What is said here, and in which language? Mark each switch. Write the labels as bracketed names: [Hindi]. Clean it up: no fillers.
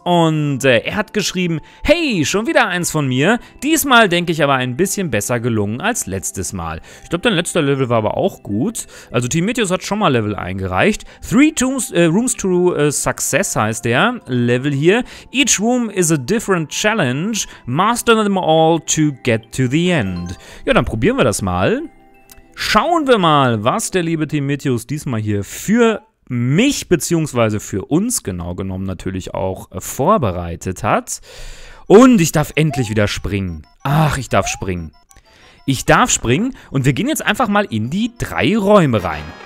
[German] Und er hat geschrieben, hey, schon wieder eins von mir. Diesmal denke ich aber ein bisschen besser gelungen als letztes Mal. Ich glaube, dein letzter Level war aber auch gut. Also Team Meteus hat schon mal Level eingereicht. Three Rooms to Success heißt der Level hier. [English] Each room is a different challenge. Master them all to get to the end. [German] Ja, dann probieren wir das mal. Schauen wir mal, was der liebe Team Meteus diesmal hier für mich beziehungsweise für uns genau genommen natürlich auch vorbereitet hat. Und ich darf endlich wieder springen. Ach, ich darf springen. Ich darf springen und wir gehen jetzt einfach mal in die drei Räume rein.